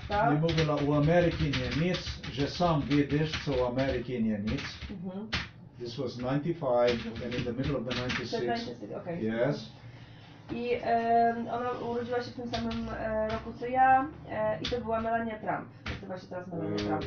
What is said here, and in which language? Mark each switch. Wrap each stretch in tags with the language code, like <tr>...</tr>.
<pl>Nie mówiła u Amerykanie nic, że sam wiedziesz, co u Amerykanie nic.</pl> <en>This was 95 and in the middle of the 96. Okay. Yes.</en> <pl>I ona urodziła się w tym samym roku co ja i to była Melania Trump. Nazywa się teraz Melania Trump.</pl>